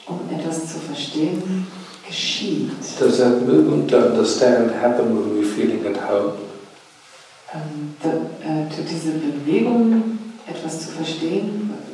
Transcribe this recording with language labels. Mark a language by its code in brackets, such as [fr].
[de] Etwas zu verstehen, geschieht. [en] Does that movement to understand happen when we're feeling at home? [de] Tut diese Bewegung etwas zu verstehen?